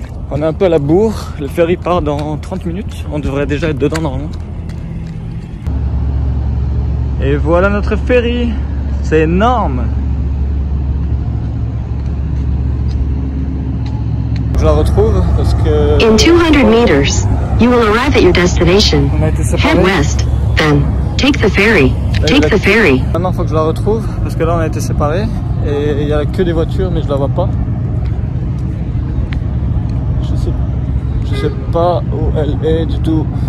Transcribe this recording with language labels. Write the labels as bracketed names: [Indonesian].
[French] On est un peu à la bourre, le ferry part dans 30 minutes, on devrait déjà être dedans normalement. Et voilà notre ferry, c'est énorme. Je la retrouve parce que... [English] In 200 meters. You will arrive at your destination. Head west, then take the ferry. Take the ferry. [French] Maintenant, faut que je la retrouve parce que là, on a été séparés et il y a que des voitures, mais je la vois pas. sais pas où elle est du tout.